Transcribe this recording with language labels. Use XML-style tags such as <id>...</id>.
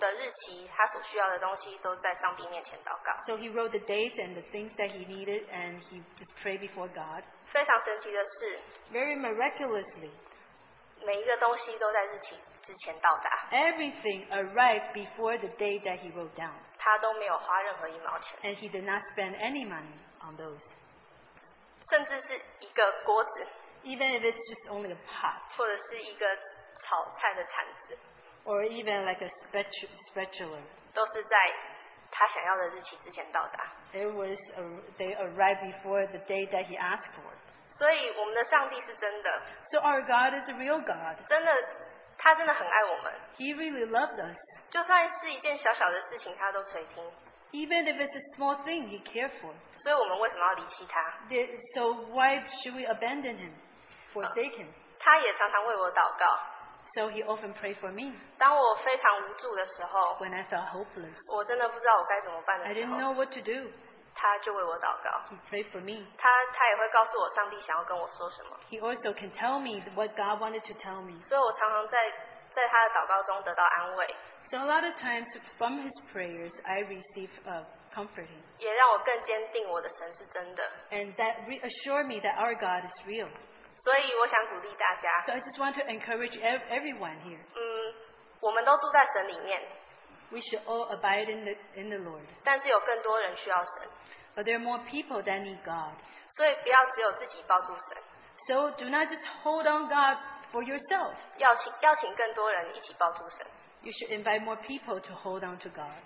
<zh>所以他就把全部的日期他所需要的东西都在上帝面前祷告.</zh> <en>So he wrote the dates and the things that he needed, and he just prayed before God.</en> <zh>非常神奇的是,</zh> <en>very miraculously,</en> <zh>每一个东西都在日期之前到达.</zh> <en>Everything arrived before the date that he wrote down.</en> <zh>他都没有花任何一毛钱.</zh> <en>And he did not spend any money on those.</en> <zh>甚至是一个锅子,</zh> <en>even if it's just only a pot,</en> <zh>或者是一个炒菜的铲子,</zh> <en>or even like a spatula,</en> <zh>都是在他想要的日期之前到达.</zh> <en>They arrived before the day that he asked for.</en> <zh>所以我们的上帝是真的.</zh> <en>So our God is a real God.</en> <zh>真的, 他真的很爱我们.</zh> <en>He really loved us.</en> <zh>就算是一件小小的事情他都垂听.</zh> <en>Even if it's a small thing, he cared for.</en> <zh>所以我们为什么要离弃他?</zh> <en>So why should we abandon him? Forsake him.</en> <zh>他也常常为我祷告.</zh> <en>So he often prayed for me.</en> <zh>当我非常无助的时候,</zh> <en>when I felt hopeless,</en> <zh>我真的不知道我该怎么办的时候,</zh> <en>I didn't know what to do.</en> <zh>他就为我祷告.</zh> <en>He prayed for me.</en> <zh>他也会告诉我上帝想要跟我说什么.</zh> <en>He also can tell me what God wanted to tell me.</en> <zh>所以我常常在他的祷告中得到安慰.</zh> <en>So a lot of times from his prayers, I receive comforting.</en> <zh>也让我更坚定我的神是真的.</zh> <en>And that reassured me that our God is real.</en> <zh>所以我想鼓励大家,</zh> <en>so I just want to encourage everyone here.</en> <zh>我们都住在神里面,</zh> <en>we should all abide in the Lord.</en> <zh>但是有更多人需要神,</zh> <en>but there are more people that need God. So do not just hold on God for yourself.</en> <zh>邀请更多人一起抱住神。</zh> <en>You should invite more people to hold on to God.</en>